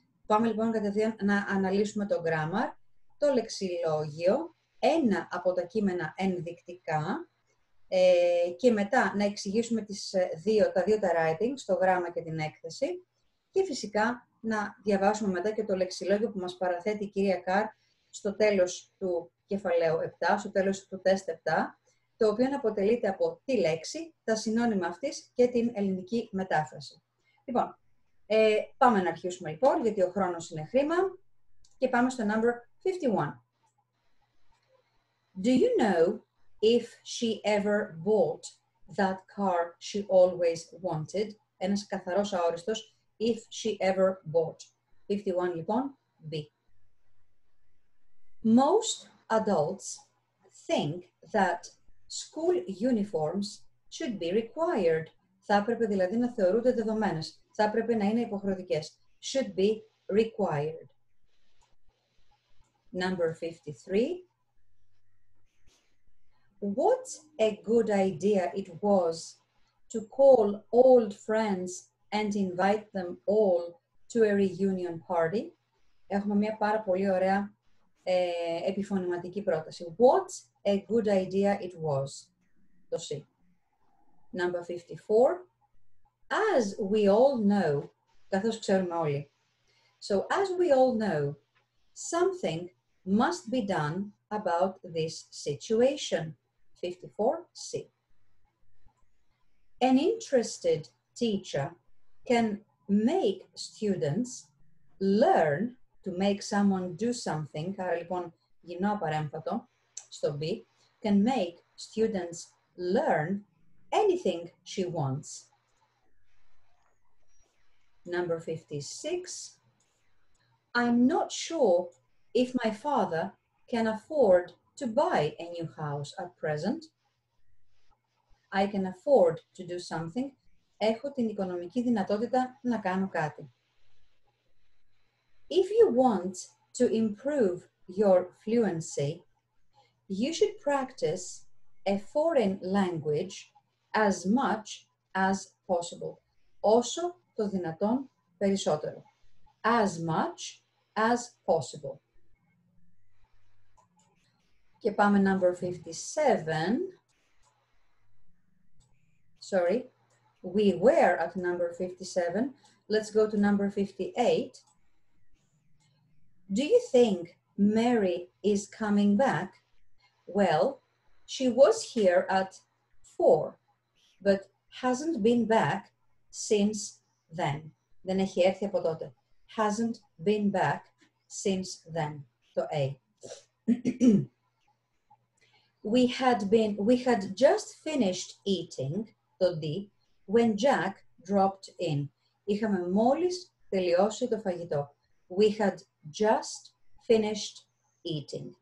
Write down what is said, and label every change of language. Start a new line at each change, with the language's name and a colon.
Greek: Πάμε λοιπόν κατευθείαν να αναλύσουμε το grammar, το λεξιλόγιο, ένα από τα κείμενα ενδεικτικά, και μετά να εξηγήσουμε τα δύο τα writings, το γράμμα και την έκθεση, και φυσικά να διαβάσουμε μετά και το λεξιλόγιο που μας παραθέτει η κυρία Κάρ στο τέλος του κεφαλαίου 7, στο τέλος του τεστ 7, το οποίο αποτελείται από τη λέξη, τα συνώνυμα αυτής και την ελληνική μετάφραση. Λοιπόν, πάμε να αρχίσουμε λοιπόν, γιατί ο χρόνος είναι χρήμα, και πάμε στο number 51.
English: Do you know if she ever bought that car she always wanted?
Greek: Ένας καθαρός αόριστος,
English: if she ever bought. 51 λοιπόν, B. Most adults think that school uniforms should be required.
Greek: Θα έπρεπε δηλαδή να θεωρούνται δεδομένες. Θα έπρεπε να είναι υποχρεωτικές.
English: Should be required. Number 53. What a good idea it was to call old friends and invite them all to a reunion party.
Greek: Έχουμε μια πάρα πολύ ωραία επιφωνηματική πρόταση.
English: What a good idea it was. Το C. Number 54. As we all know,
Greek: καθώς ξέρουμε όλοι.
English: So, as we all know, something must be done about this situation. 54. C. An interested teacher can make students learn to make someone do something,
Greek: άρα λοιπόν γυρνώ παρέμφατο στο B,
English: can make students learn anything she wants. Number 56. I'm not sure if my father can afford to buy a new house at present. I can afford to do something.
Greek: Έχω την οικονομική δυνατότητα να κάνω κάτι.
English: If you want to improve your fluency, you should practice a foreign language as much as possible.
Greek: Όσο το δυνατόν περισσότερο.
English: As much as possible.
Greek: Και πάμε number 57.
English: Sorry, we were at number 57. Let's go to number 58. Do you think Mary is coming back? Well, she was here at 4, but hasn't been back since then.
Greek: Δεν έχει έρθει από τότε.
English: Hasn't been back since then, το A. We had just finished eating, το D, when Jack dropped in.
Greek: Είχαμε μόλις τελειώσει το φαγητό.
English: We had just finished eating.